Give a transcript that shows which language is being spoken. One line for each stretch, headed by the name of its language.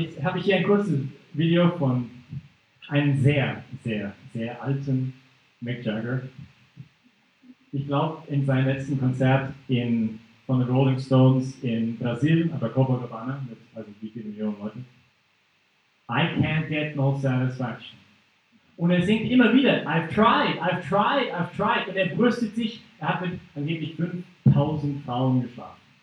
German: Jetzt habe ich hier ein kurzes Video von einem sehr, sehr, sehr alten Mick Jagger. Ich glaube, in seinem letzten Konzert von den Rolling Stones in Brasilien, an der Copacabana, mit also wie viele Millionen Leute.
English: I can't get no satisfaction.
German: Und er singt immer wieder,
English: I've tried, I've tried, I've tried.
German: Und er brüstet sich, er hat mit angeblich 5000 Frauen geschlafen.